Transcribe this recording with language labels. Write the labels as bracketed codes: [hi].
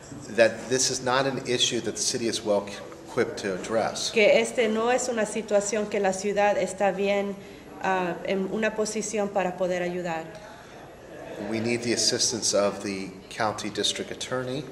[en] That this is not an issue that the city is well equipped to address. [es] Que este no es una situación que la ciudad está bien en una posición para poder ayudar. [en] We need the assistance of the county district attorney.